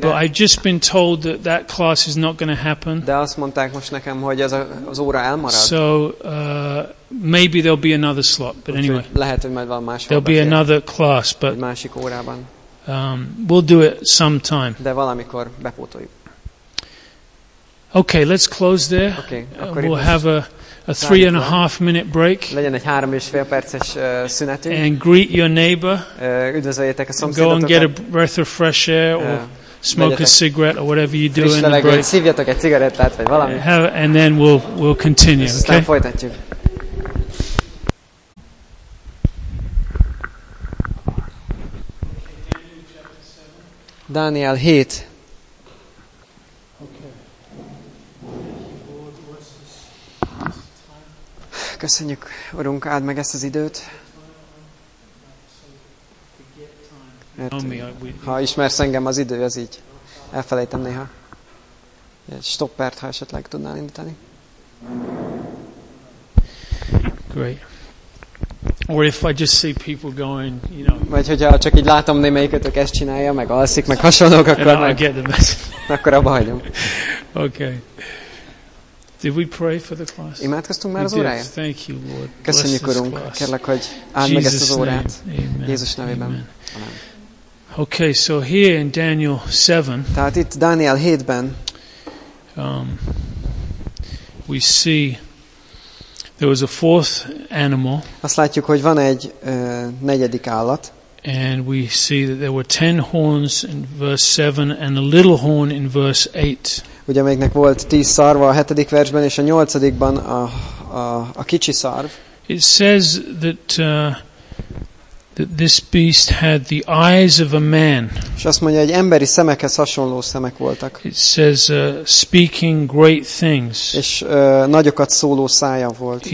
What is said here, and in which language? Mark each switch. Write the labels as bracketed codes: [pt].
[en] But I've just been told that that class is not going to happen. [hu] De azt mondták most nekem, hogy ez az óra elmarad. [en] So maybe there'll be another slot, but anyway. [hu] Lehet, hogy majd van másik. [en] There'll be another class, but [hu] másik órában. [en] We'll do it sometime. [hu] De valamikor bepótoljuk. [en] Okay, let's close there. Okay, we'll have a 3.5 minute break. [hu] Legyen egy 3.5 perces szünetünk. [en] And greet your neighbor. [hu] Üdvözöljétek a szomszédotokat. [en] Go and get a breath of fresh air or smoke a cigarette or whatever you do in the break. [hu] Friss levegőt, szívjatok egy cigarettát vagy valami. [en] And then we'll continue. Okay. [hu] Aztán folytatjuk. [en] Daniel 7. [hu] Köszönjük, Urunk, áld meg ezt az időt. Mert, ha ismersz engem, az idő az így. Elfelejtem néha. Egy stoppert, ha esetleg tudnál indítani. [en] Great. Or if I just see people going, you know. [hu] Vagy hogyha csak így látom, némelyikötök ezt csinálja, meg alszik, meg hasonlók, akkor [en] I get the message. [hu] Akkor abba hagyom. [en] Okay. Did we pray for the class? [hu] Imádkoztunk már az óráért? [en] Thank you, Lord. [hu] Köszönjük, Urunk. Kérlek, hogy áld meg ezt az órát. Jézus nevében. [en] Amen. Okay, so here in Daniel 7. [hu] Tehát itt Dániel 7-ben. [en] We see there was a fourth animal. [hu] Azt látjuk, hogy van egy negyedik állat. [en] And we see that there were 10 horns in verse 7 and a little horn in verse 8. [hu] Ugye melyiknek volt 10 szarva a 7. versben és a 8. a kicsi szarv. [en] It says that this beast had the eyes of a man. [hu] És azt mondja, hogy emberi szemekhez hasonló szemek voltak. [en] It says speaking great things. [hu] És nagyokat szóló szája volt.